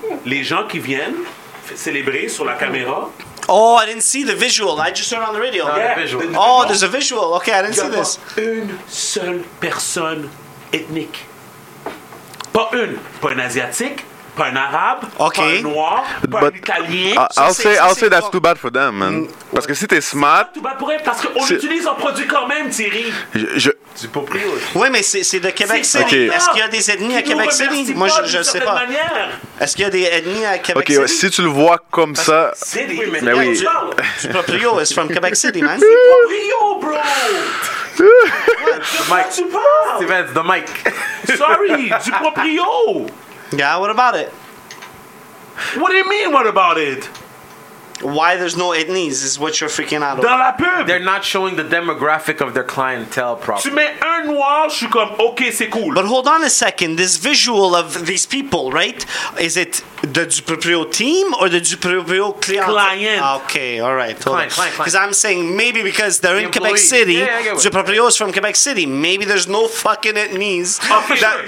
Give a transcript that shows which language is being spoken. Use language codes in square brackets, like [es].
[fr] Les gens qui viennent célébrer sur la caméra. [en] Oh, I didn't see the visual. I just heard on the radio. Yeah. Oh, there's a visual. Okay, I didn't see this. [fr] Une seule personne ethnique. Pas une. Pas une asiatique. Pas un arabe, pas un noir, pas un italien. [en] I'll say that's too bad for them, man. [fr] Parce que si t'es smart. [en] Too bad [fr] pour eux, parce qu'on utilise un produit quand même, Thierry. Du Proprio. Oui, mais c'est de Québec City. Okay. Est-ce qu'il y a des ethnies à Québec City? Moi, je ne sais pas. Est-ce qu'il y a des ethnies à Québec City? Ok, si tu le vois comme ça. Mais oui. [en] Du Proprio, it's from Québec City, man. Du Proprio, bro! What? Du mic. Steven, the mic. Sorry, du Proprio! Yeah, what about it? What do you mean, what about it? Why there's no ethnies is what you're freaking out about. [fr] Dans la pub! [en] They're not showing the demographic of their clientele properly. [fr] Tu mets un noir, je suis comme, ok, c'est cool. [en] But hold on a second, this visual of these people, right? Is it the Duproprio team or the Duproprio client? Client. Okay, all right. Hold client, Client, client. Because I'm saying maybe because they're the in employee. Quebec City, Duproprio is from Quebec City. Maybe there's no fucking ethnies. Okay,